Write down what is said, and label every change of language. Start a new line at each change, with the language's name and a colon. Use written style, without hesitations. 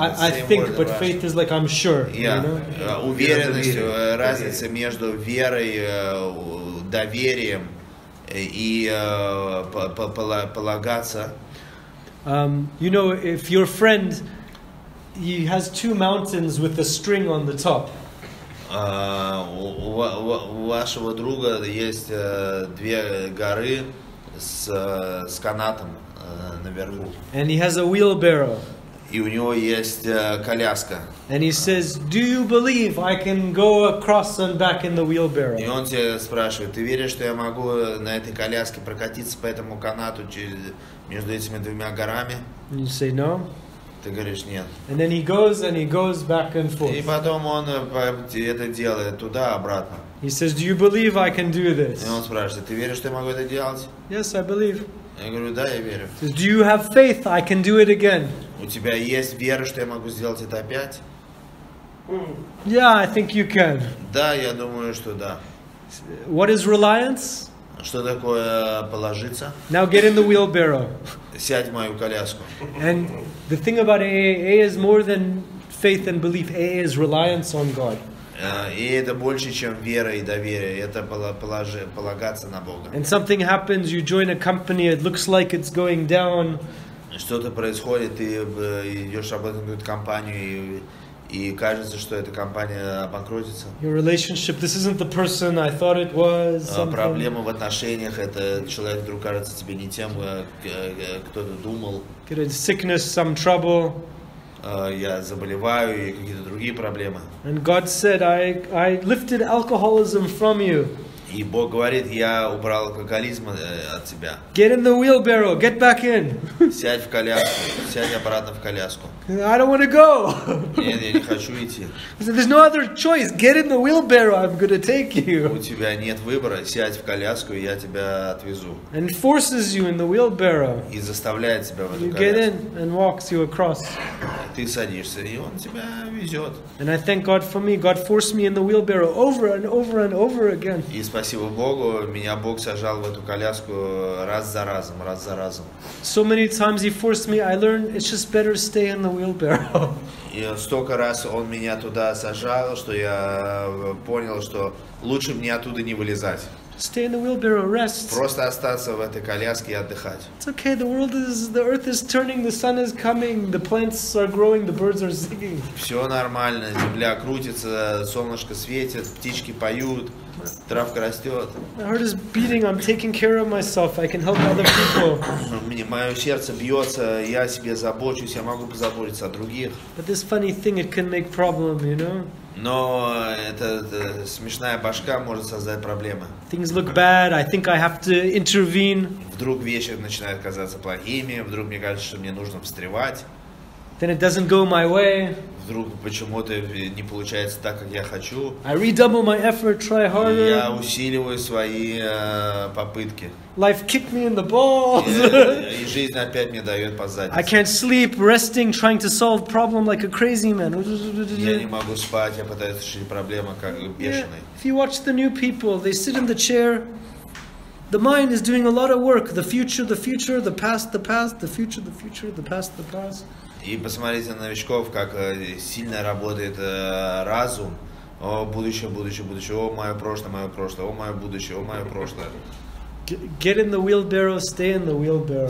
English: I think, but faith is like I'm sure. Yeah.
Russian: Уверенность, разница между верой, доверием и полагаться.
English: You know, if your friend, he has two mountains with a string on the top.
Russian: У вашего друга есть две горы. С канатом наверху.
English: And he has a wheelbarrow.
Russian: И у него есть коляска.
English: And he says, "Do you believe I can go across and back in the wheelbarrow?"
Russian: И он тебя спрашивает: "Ты веришь, что я могу на этой коляске прокатиться по этому канату между этими двумя горами?"
English: And you say, "No."
Russian: Ты говоришь: "Нет."
English: And then he goes back and forth.
Russian: И потом он это делает туда обратно.
English: He says, "Do you believe I can do this?"
Russian: И он спрашивает: "Ты веришь, что я могу это делать?"
English: Yes, I believe.
Russian: Я говорю: "Да, я верю."
English: He says, "Do you have faith I can do it again?"
Russian: У тебя есть вера, что я могу сделать это опять?
English: Yeah, I think you can.
Russian: Да, я думаю, что да.
English: What is reliance?
Russian: Что такое положиться?
English: Now get in the wheelbarrow.
Russian: Сядь в мою коляску.
English: And the thing about AA is more than faith and belief. AA is reliance on God.
Russian: И это больше, чем вера и доверие. Это полагаться на Бога.
English: And something happens, you join a company, it looks like it's going down.
Russian: Что-то происходит, ты идешь работать на какую-то компанию, и кажется, что эта компания обанкротится.
English: Your relationship, this isn't the person I thought it was.
Russian: Проблема в отношениях, это человек вдруг кажется тебе не тем, кто ты думал.
English: Get a sickness, some trouble.
Russian: Я заболеваю и какие-то другие проблемы.
English: And God said, I lifted alcoholism from you.
Russian: И Бог говорит, я убрал алкоголизм от тебя.
English: Get in the wheelbarrow, get back in.
Russian: Сядь в коляску, сядь обратно в коляску.
English: I don't want to go.
Russian: Нет, я не хочу идти.
English: There's no other choice. Get in the wheelbarrow, I'm going to take you.
Russian: У тебя нет выбора, сядь в коляску, и я тебя отвезу.
English: And forces you in the wheelbarrow.
Russian: И заставляет тебя в эту коляску.
English: You get in and walks you across.
Russian: Ты садишься, и он тебя везет.
English: And I thank God for me. God forced me in the wheelbarrow over and over and over again.
Russian: И спасибо Богу, меня Бог сажал в эту коляску раз за разом, раз за разом.
English: So many times he forced me, I learned it's just better to stay in the wheelbarrow.
Russian: И столько раз он меня туда сажал, что я понял, что лучше мне оттуда не вылезать.
English: Stay in the wheelbarrow, rest.
Russian: Просто остаться в этой коляске и отдыхать.
English: It's okay, the world is, the earth is turning, the sun is coming, the plants are growing, the birds are singing.
Russian: Все нормально, земля крутится, солнышко светит, птички поют. Травка растет.
English: My heart is beating. I'm taking care of myself. I can help other people.
Russian: Мое сердце бьется. Я о себе забочусь. Я могу позаботиться о других.
English: But this funny thing, it can make problem, you know?
Russian: Но эта смешная башка может создать проблемы.
English: Things look bad, I think I have to intervene.
Russian: Вдруг вещи начинают казаться плохими, вдруг мне кажется, что мне нужно встревать.
English: Then it doesn't go my way.
Russian: Вдруг почему-то не получается так, как я хочу.
English: I redouble my effort, try harder.
Russian: Я усиливаю свои попытки.
English: Life kicked me in the balls.
Russian: И жизнь опять мне дает по заднице.
English: I can't sleep, resting, trying to solve problem like a crazy man.
Russian: Я не могу спать, я пытаюсь решить проблему как бешеный.
English: If you watch the new people, they sit in the chair. The mind is doing a lot of work. The future, the past, the future, the future, the past, the past.
Russian: И посмотрите на новичков, как сильно работает разум. О, будущее, будущее, будущее. О, мое прошлое, мое прошлое. О, мое будущее, о, мое прошлое.
English: Get in the wheelbarrow, stay in the wheelbarrow.